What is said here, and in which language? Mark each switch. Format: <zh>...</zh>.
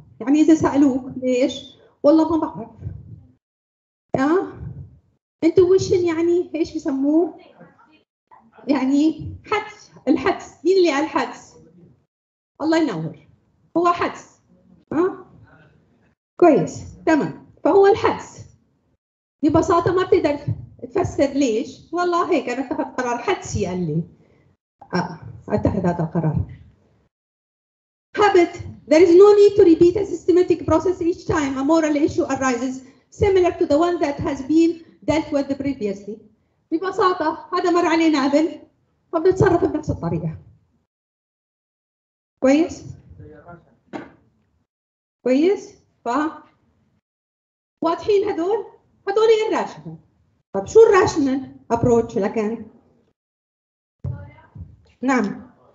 <ar>يعني اذا سالوك ليش والله ما بعرف intuition يعني ايش بسموه يعني حدس الحدس مين اللي على الحدس الله ينور هو حدس كويس تمام فهو الحبس. ببساطة ما بتقدر تفسر ليش والله هيك أنا اتخذت قرار حدسي قال لي اتخذ هذا القرار.</ar> <en>Habit. There is no need to repeat a systematic process each time a moral issue arises similar to the one that has been dealt with previously.</en> <ar>ببساطة هذا مر علينا قبل فبنتصرف بنفس الطريقة. كويس؟ كويس؟ واضحين هذول؟ هذول الراشنال. طب شو الراشنال ابروتش لكان؟ نعم.</ar>